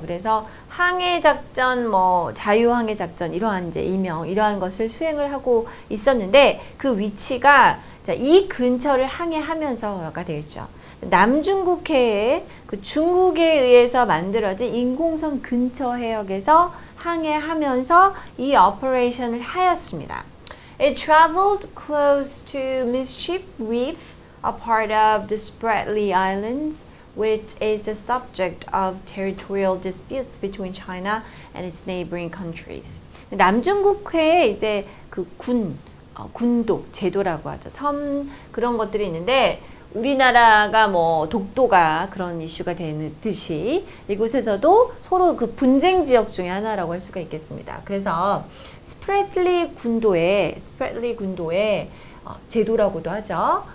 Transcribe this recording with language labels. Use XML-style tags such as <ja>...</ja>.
<ko>그래서 항해 작전 뭐 자유항해 작전 이러한 이제 이명 이러한 것을 수행을 하고 있었는데 그 위치가 자, 이 근처를 항해하면서가 되겠죠. 남중국해에 그 중국에 의해서 만들어진 인공섬 근처 해역에서 항해하면서 이 오퍼레이션을 하였습니다.</ko> <en>It traveled close to Mischief Reef, a part of the Spratly Islands, which is the subject of territorial disputes between China and its neighboring countries.</en> <ko>남중국해에 이제 그 군도, 제도라고 하죠. 섬 그런 것들이 있는데 우리나라가 뭐 독도가 그런 이슈가 되는 듯이 이곳에서도 서로 그 분쟁 지역 중에 하나라고 할 수가 있겠습니다. 그래서 스프레틀리 군도의 제도라고도 하죠.</ko>